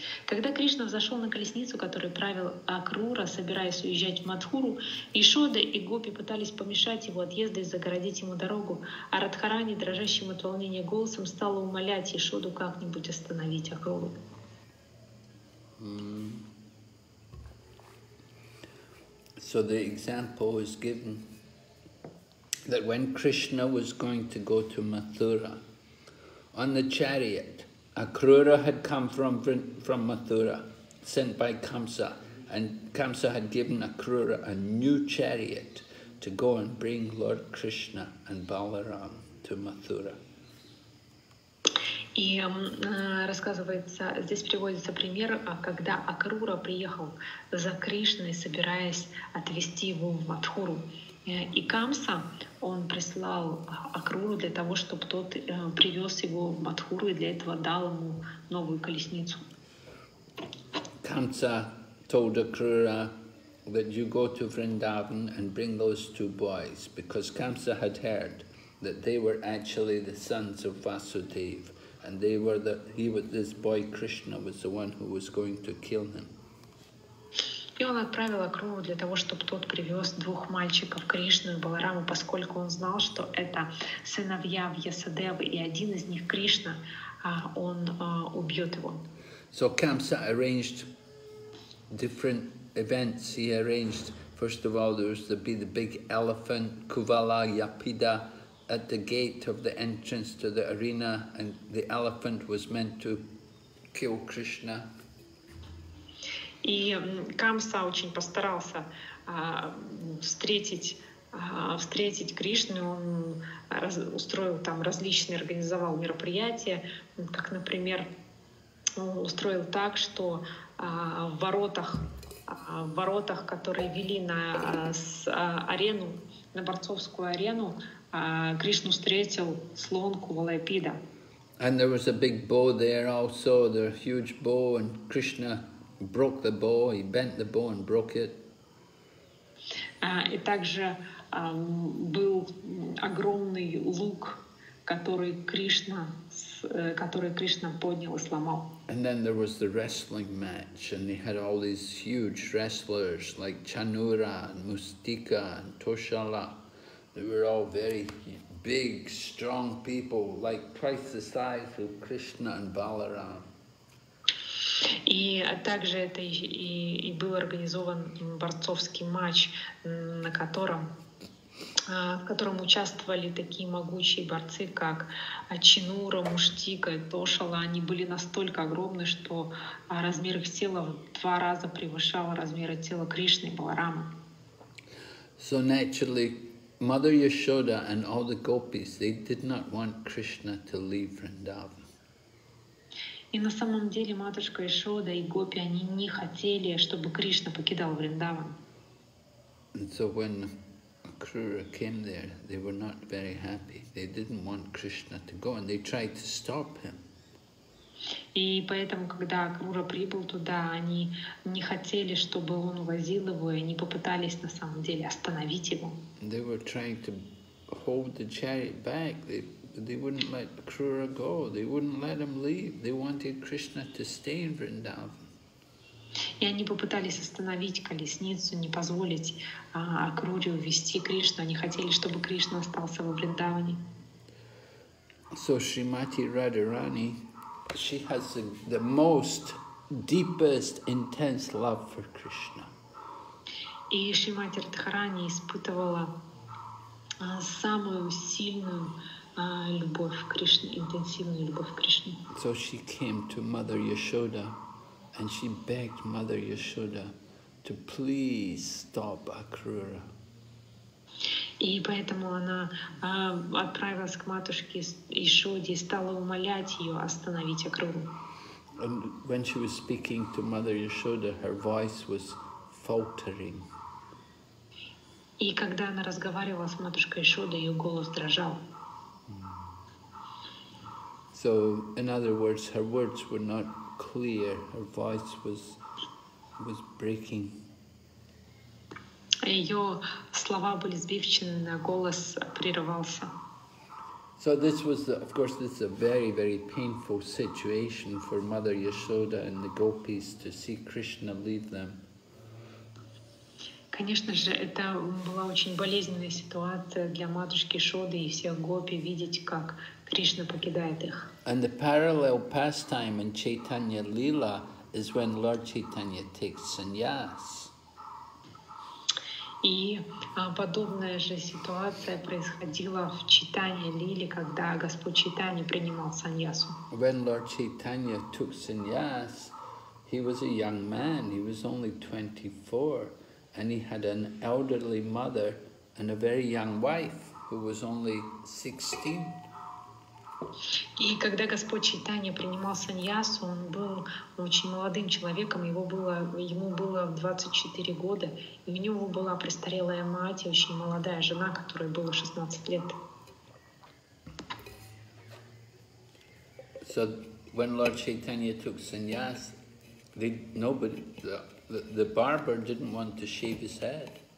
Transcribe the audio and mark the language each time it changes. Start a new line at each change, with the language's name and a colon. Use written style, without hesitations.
Russian: Когда Кришна взошел на колесницу, которую правил Акрура, собираясь уезжать в Матхуру, Ишода и Гопи пытались помешать его отъезду и загородить ему дорогу, а Радхарани, дрожащим от волнения голосом, стала умолять Ишоду как-нибудь остановить Акруру.
English: So the example is given that when Krishna was going to go to Mathura on the chariot, Akrura had come from Mathura, sent by Kamsa, and Kamsa had given Akrura a new chariot to go and bring Lord Krishna and Balaram to Mathura.
Russian: И рассказывается, здесь приводится пример, когда Акрура приехал за Кришной, собираясь отвезти его в Матхуру. И Камса, он прислал Акруру для того, чтобы тот привез его в Матхуру и для этого дал ему новую колесницу.
English: Камса told Акрура that you go to Vrindavan and bring those two boys, because Камса had heard that they were actually the sons of Vasudev, and they were this boy Krishna was the one who was going to kill him.
Russian: И он отправил Акруру для того, чтобы тот привез двух мальчиков, Кришну и Балараму, поскольку он знал, что это сыновья Вьясадевы, и один из них, Кришна, он убьет его.
English: So Kamsa arranged different events. He arranged, first of all, there was to be the big elephant, Kuvala Yapida, at the gate of the entrance to the arena, and the elephant was meant to kill Krishna.
Russian: И Камса очень постарался встретить Кришну. Он устроил там различные, организовал мероприятия, как, например, устроил так, что в воротах, которые вели на арену, на борцовскую арену, Кришну встретил слон Кувала Япида.
English: And there was a big bow there also, the huge bow, and Krishna broke the bow, he bent the bow and broke it.
Russian: И также был огромный лук, который Кришна поднял и сломал.
English: And then there was the wrestling match, and they had all these huge wrestlers like Chanura and Mustika and Toshala. They were all very big, strong people, like twice the size of Krishna and Balaram.
Russian: И также это и был организован борцовский матч, в котором участвовали такие могучие борцы, как Чинура, Муштика, Тошала. Они были настолько огромны, что размер их тела в два раза превышал размеры тела Кришны и Баларамы.
English: So naturally, Mother Yashoda and all the gopis, they did not want Krishna to leave Vrindavan.
Russian: И на самом деле матушка Ишода и Гопи, они не хотели, чтобы Кришна покидал Вриндаван.
English: And so when Akrura came there, they were not very happy. They didn't want Krishna to go, and they tried to stop him.
Russian: И поэтому, когда Акрура прибыл туда, они не хотели, чтобы он увозил его, и они попытались на самом деле остановить его.
English: They were trying to hold the chariot back. They wouldn't let Akrura go. They wouldn't let him leave. They wanted Krishna to stay in Vrindavan.
Russian: И они попытались остановить колесницу, не позволить Акруре увести Кришну. Они хотели, чтобы Кришна остался во Вриндаване.
English: So Srimati Radharani, she has the most deepest intense love for Krishna.
Russian: И Шримати Радхарани испытывала самую сильную любовь к Кришне, интенсивную любовь к Кришне.
English: So she came to Mother Yashoda, and she begged Mother Yashoda to please stop Акрура.
Russian: И поэтому она отправилась к матушке Ишоде и стала умолять ее остановить Акруру.
English: And when she was speaking to Mother Yashoda, her voice was faltering.
Russian: И когда она разговаривала с матушкой Ишодой, ее голос дрожал.
English: So, in other words, her words were not clear. Her voice was breaking.
Russian: Ее слова были сбивчены, голос прерывался.
English: So this was, of course, this is a very, very painful situation for Mother Yashoda and the gopis to see Krishna leave them.
Russian: Конечно же, это была очень болезненная ситуация для матушки Шоды и всех гопи видеть, как Кришна покидает их.
English: And the parallel pastime in Chaitanya Lila is when Lord Chaitanya takes sannyas.
Russian: И подобная же ситуация происходила в Чайтанье Лиле, когда Господь Чайтанья принимал саньясу.
English: When Lord Chaitanya took sannyas, he was a young man, he was only 24, and he had an elderly mother and a very young wife who was only 16.
Russian: И когда Господь Чайтанья принимал саньясу, он был очень молодым человеком, ему было 24 года, и у него была престарелая мать и очень молодая жена, которой было 16 лет.
English: So when Lord Chaitanya took sannyas, the barber didn't want to shave his head.